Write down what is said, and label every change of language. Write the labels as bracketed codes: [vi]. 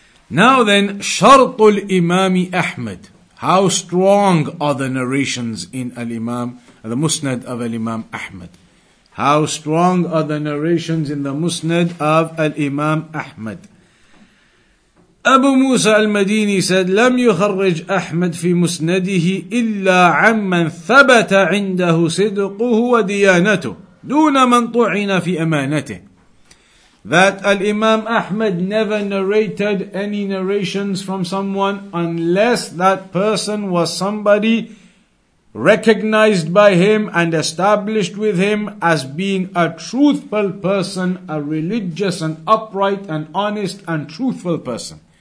[en] Now then, [ar] شَرْطُ الْإِمَامِ أَحْمَدْ. [en] How strong are the narrations in Al-Imam, the Musnad of Al-Imam Ahmad? How strong are the narrations in the Musnad of Al-Imam Ahmad? [ar] Abu Musa al-Madini said, لم يخرج أحمد في مسنده إلا عمن ثبت عنده صدقه وديانته دون من طعن في أمانته. [en] That Al-Imam Ahmad never narrated any narrations from someone unless that person was somebody recognized by him and established with him as being a truthful person, a religious and upright and honest and truthful person.